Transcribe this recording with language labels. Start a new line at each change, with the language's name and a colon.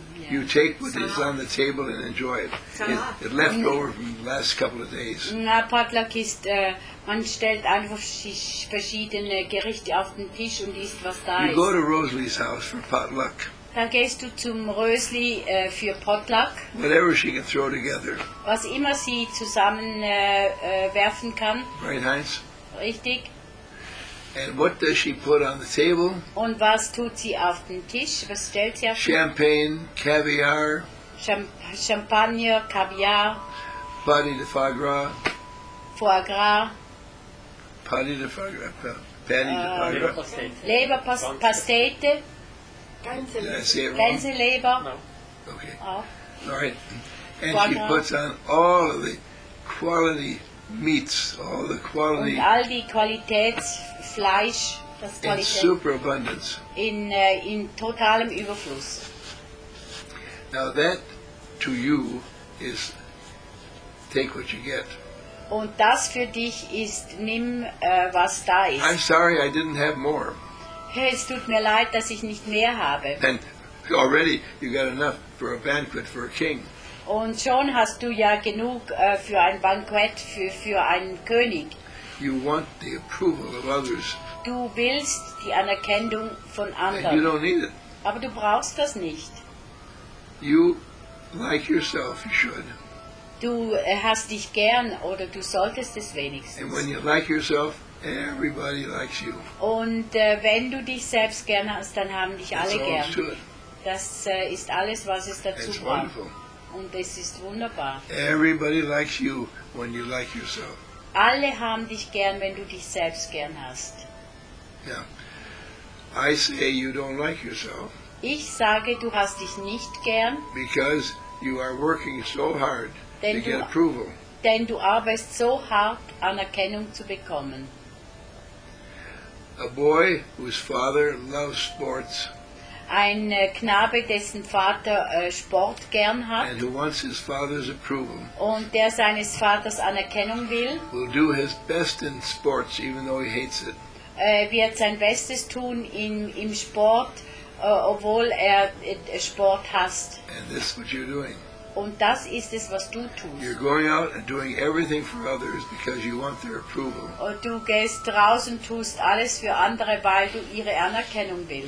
English: you take what is on the table and enjoy it. It left over from the last couple of days.
German: Na, potluck ist, man stellt einfach verschiedene Gerichte auf den Tisch und isst, was da
English: you
German: ist.
English: You go to Rosalie's house for potluck.
German: Dann gehst du zum Rösli für potluck.
English: Whatever she can throw together.
German: Was immer sie zusammen werfen kann.
English: Right, Heinz?
German: Richtig.
English: And what does she put on the table?
German: Und was tut sie auf den Tisch? Was stellt sie auf den
English: Champagne, caviar.
German: Champagner, caviar.
French: Pâté de foie gras. Foie gras. Pâté de foie gras. Pâté de foie gras.
German: Leber, Pastete. Gänseleber.
English: No. Okay. Oh. All right. And foie she gras. Puts on all of the quality meats, all the quality.
German: Und all die Qualitäts. Fleisch, das
English: in superabundance.
German: In totalem Überfluss.
English: Now that to you is take what you get.
German: Und das für dich ist, nimm was da ist.
English: I'm sorry, I didn't have more.
German: Hey, es tut mir leid, dass ich nicht mehr habe.
English: And already you got enough for a banquet for a king.
German: Und schon hast du ja genug für ein Bankett für einen König.
English: You want the approval of others.
German: Du willst die Anerkennung von anderen.
English: And you don't need it.
German: Aber du brauchst das nicht.
English: You like yourself, you should.
German: Du hast dich gern oder du solltest es wenigstens.
English: And when you like yourself, everybody likes you.
German: Und wenn du dich selbst gern hast, dann haben dich
English: That's
German: alle gern.
English: To it.
German: Das ist alles, was es dazu
English: It's
German: braucht.
English: Wonderful.
German: Und es ist wunderbar.
English: Everybody likes you when you like yourself.
German: Alle haben dich gern, wenn du dich selbst gern hast.
English: Yeah. I say you don't like yourself.
German: Ich sage, du hast dich nicht gern.
English: Because you are working so hard to get approval.
German: Denn du arbeitest so hart, Anerkennung zu bekommen.
English: A boy whose father loves sports.
German: Ein Knabe, dessen Vater Sport gern hat
English: and who wants his father's approval,
German: und der seines Vaters Anerkennung will,
English: will do his best in sports, even though he hates it.
German: Wird sein Bestes tun im Sport, obwohl er Sport hasst.
English: And this is what you're doing.
German: Und das ist es, was du tust.
English: You're going out and doing everything for others because you want their approval.
German: Und du gehst raus und tust alles für andere, weil du ihre Anerkennung willst.